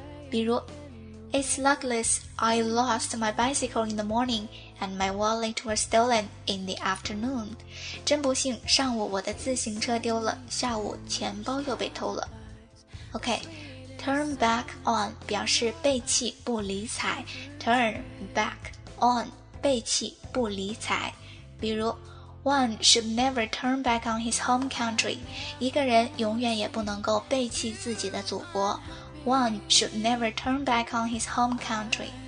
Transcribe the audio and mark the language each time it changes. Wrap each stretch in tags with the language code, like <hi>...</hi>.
<en>比如It's luckless I lost my bicycle in the morning and my wallet was stolen in the afternoon.</en> <zh>真不幸，上午我的自行车丢了，下午钱包又被偷了。 OK,</zh> <en>turn back on</en> <zh>表示背弃不理睬。</zh> <en>Turn back on</en> <zh>背弃不理睬。</zh> <en>比如 One should never turn back on his home country.</en> <zh>一个人永远也不能够背弃自己的祖国。</zh> <en>One should never turn back on his home country.</en>